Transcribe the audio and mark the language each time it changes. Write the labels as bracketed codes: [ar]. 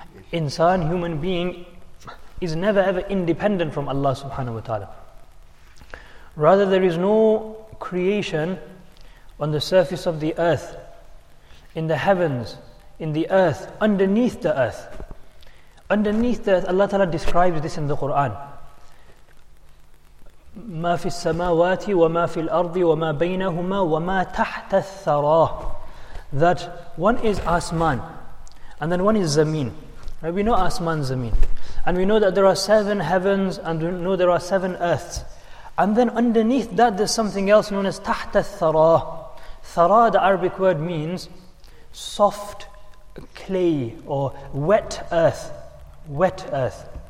[en] Insan, human being, is never ever independent from Allah subhanahu wa ta'ala. Rather, there is no creation on the surface of the earth, in the heavens, in the earth, underneath the earth. Underneath the earth, Allah ta'ala describes this in the Quran. [ar] ما في السماوات وما في الأرض وما بينهما وما تحت الثرى. [en] That one is Asman, and then one is Zameen. We know Asman, Zameen, and we know that there are seven heavens, and we know there are seven earths, and then underneath that there's something else known as تحت الثرى. ثرى, the Arabic word, means soft clay or wet earth. Wet earth.